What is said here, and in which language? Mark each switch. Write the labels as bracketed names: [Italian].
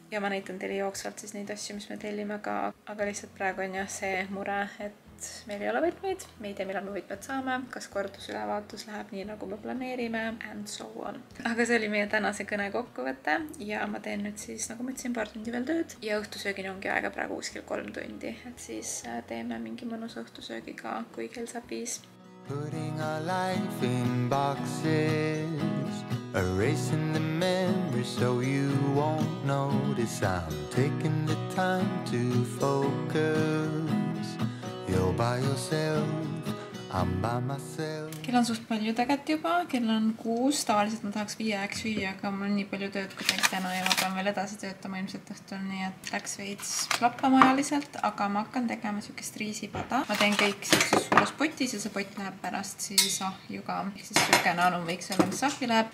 [Estonian] Ja ma näitan teile jooksvalt siis neid asju, mis me tellime ka, aga lihtsalt praegu on jah see mure, et meil ei ole võtmeid, me ei tea, millal me võtmed saame, kas kordusülevaatus läheb nii, nagu me planeerime, [English] and so on. [Estonian] Aga see oli meie tänase kõne kokkuvõte ja ma teen nüüd siis, nagu mõtlesin, paar tundi veel tööd ja õhtusöögin ongi aega praegu kuskil 3 tundi, et siis teeme mingi mõnus õhtusöögi ka, kui kell saab 5. [English] Putting our life in boxes, erasing the memory so you won't notice, I'm taking the time to focus. You're by yourself, I'm by myself. [Estonian] Kell on suht palju tegelikult juba, kell on 6, tavaliselt ma tahaks 5 süüa, aga mul on nii palju tööd kui tegelikult täna ja ma pean veel edasi töötama ilmselt õhtul, nii et läks veids lappamajaliselt, aga ma hakkan tegema sellist riisipada. Ma teen kõik siis suures potis ja see pott läheb pärast siis ahjuga, siis sellikene anum võiks olla, mis ahju läheb.